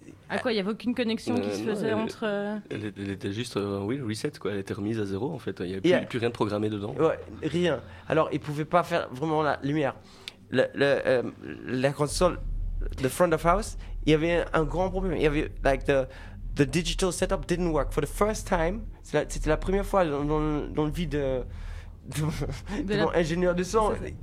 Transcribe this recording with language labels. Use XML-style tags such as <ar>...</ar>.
<fr>À quoi, il y avait aucune connexion qui se faisait entre elle était juste reset, quoi. Elle était remise à zéro, en fait. Il y avait plus rien de programmé dedans, rien. Alors ils pouvaient pas faire vraiment la lumière, la console,</fr> <en>the front of house,</en> <fr>il y avait un grand problème. Il y avait</fr> <en>like the digital setup didn't work for the first time.</en> <fr>C'était la première fois dans la vie de mon ingénieur de son.</fr>